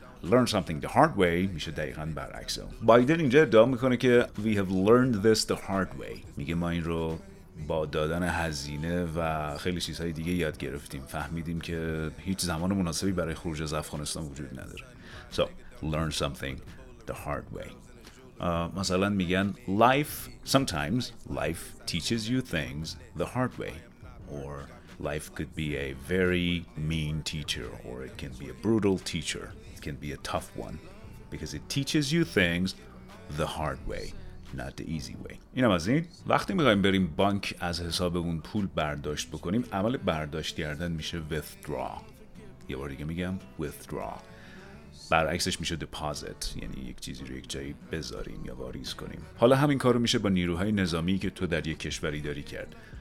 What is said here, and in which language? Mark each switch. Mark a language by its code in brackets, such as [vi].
[en] Learn something the hard way [fa] میشه دقیقاً برعکس. بایدن اینجا ادعا میکنه که [en] we have learned this the hard way. [fa] میگه ما این رو با دادن هزینه و خیلی چیزهای دیگه یاد گرفتیم، فهمیدیم که هیچ زمان مناسبی برای خروج از افغانستان وجود نداره. [en] So learn something the hard way. مثلا میگن life sometimes life teaches you things the hard way, or life could be a very mean teacher, or it can be a brutal teacher, it can be a tough one, because it teaches you things the hard way, not the easy way. [fa] اینم از این. وقتی میخوایم بریم بانک از حسابمون پول برداشت بکنیم، عمل برداشت کردن میشه withdraw. یه بار دیگه میگم withdraw. برعکسش میشه deposit، یعنی یک چیزی رو یک جایی بذاریم یا واریز کنیم. حالا همین کارو میشه با نیروهای نظامی که تو در یک کشوری داری کرد.